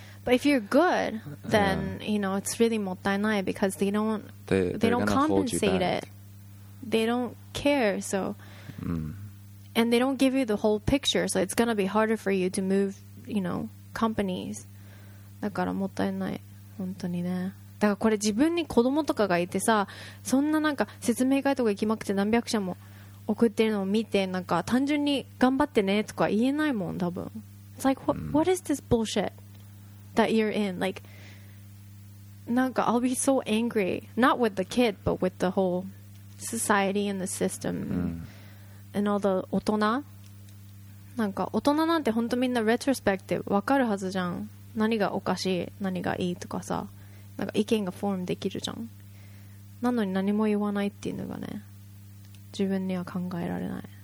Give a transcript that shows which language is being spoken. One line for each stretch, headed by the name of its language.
English: But if you're good, then you know it's really mottainai because they don't compensate it. They don't care, so. Mm. And they don't give you the whole picture, so it's going to be harder for you to move, you know, companies.
Japanese: だからもったいない。本当にね。だからこれ自分に子供とかがいてさ、そんななんか説明会とか行きまくって何百社も送ってるのを見て、なんか単純に頑張ってねとか言えないもん、多分。
English: It's like, what is this bullshit that you're in? Like, なんか I'll be so angry. Not with the kid, but with the whole society and the system. Mm.
Japanese: And all the 大人なんか大人なんて本当みんなレトロスペクティブ分かるはずじゃん、何がおかしい何がいいとかさ、なんか意見がフォームできるじゃん、なのに何も言わないっていうのがね、自分には考えられない、